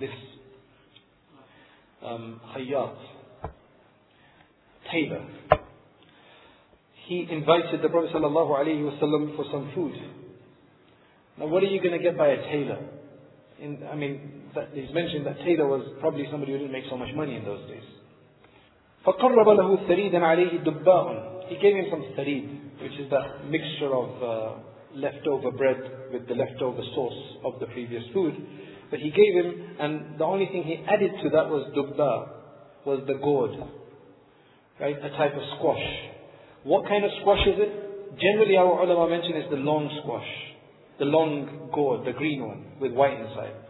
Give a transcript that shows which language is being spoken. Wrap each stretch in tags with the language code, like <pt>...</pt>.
<en>This خياط, tailor, he invited the Prophet صلى الله عليه وسلم for some food. Now what are you going to get by a tailor? He's mentioned that tailor was probably somebody who didn't make so much money in those days.</en> <ar>فقرب له الثريد عليه دباء.</ar> <en>He gave him some ثريد, which is that mixture of leftover bread with the leftover sauce of the previous food. But he gave him, and the only thing he added to that was dubba, was the gourd, right, a type of squash. What kind of squash is it? Generally our ulama mention is the long squash, the long gourd, the green one with white inside.</en>